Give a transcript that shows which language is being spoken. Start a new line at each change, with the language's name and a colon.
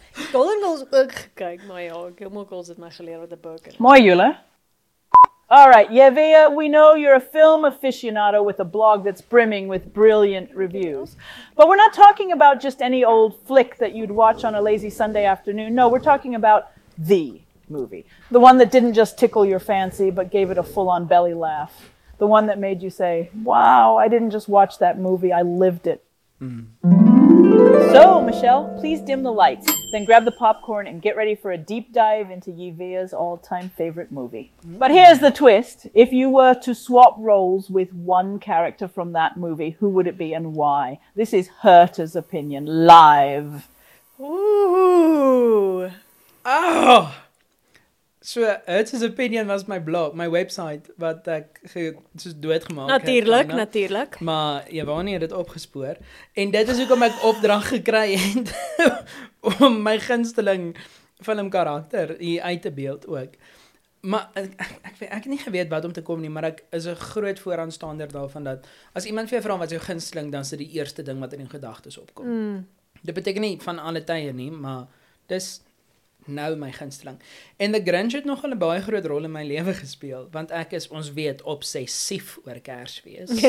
Afrikaans: Gilmore Girls ook gekyk, maar ja, Gilmore Girls het my geleer wat a Birkin is. Mooi, Jule.
English: All right, Yevea, we know you're a film aficionado with a blog that's brimming with brilliant reviews. But we're not talking about just any old flick that you'd watch on a lazy Sunday afternoon. No, we're talking about the movie. The one that didn't just tickle your fancy, but gave it a full-on belly laugh. The one that made you say, wow, I didn't just watch that movie, I lived it. So, Michelle, please dim the lights, then grab the popcorn and get ready for a deep dive into Yevea's all-time favorite movie. But here's the twist. If you were to swap roles with one character from that movie, who would it be and why? This is Herta's opinion, live. Ooh. Oh. So, Herta's opinion was my blog, my website,
Afrikaans: wat ek doodgemaak het. Natuurlijk, natuurlijk. Maar Jwanie het dit opgespoor. En dit is hoekom ek opdrag gekry het om my gunsteling filmkarakter hier uit te beeld ook. Maar ek het nie geweet wat om te kom nie, maar ek is 'n groot vooraanstander daarvan dat as iemand vir jou vra wat jou gunsteling, dan is dit die eerste ding wat in die gedagtes opkom. Mm. Dit beteken nie van alle tye nie, maar dis nou my gunsteling. En The Grinch het nogal 'n baie groot rol in my lewe gespeel, want ek is, ons weet, obsessief oor Kersfees.